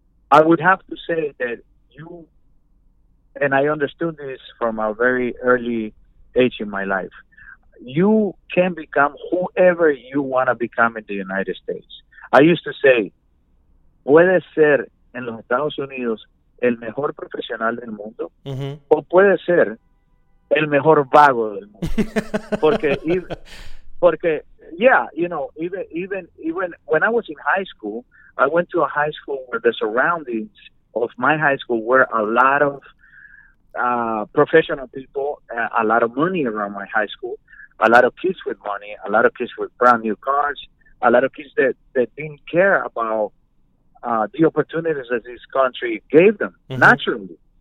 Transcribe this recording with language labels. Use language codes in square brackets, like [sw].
[en] I would have to say that you, and I understood this from a very early age in my life, you can become whoever you want to become in the United States. I used to say, [es] puede ser en los Estados Unidos el mejor profesional del mundo, mm-hmm. o puede ser el mejor vago del mundo. [en] Even when I was in high school, I went to a high school where the surroundings of my high school were a lot of professional people, a lot of money around my high school, a lot of kids with money, a lot of kids with brand new cars, a lot of kids that didn't care about the opportunities that this country gave them, mm-hmm. naturally.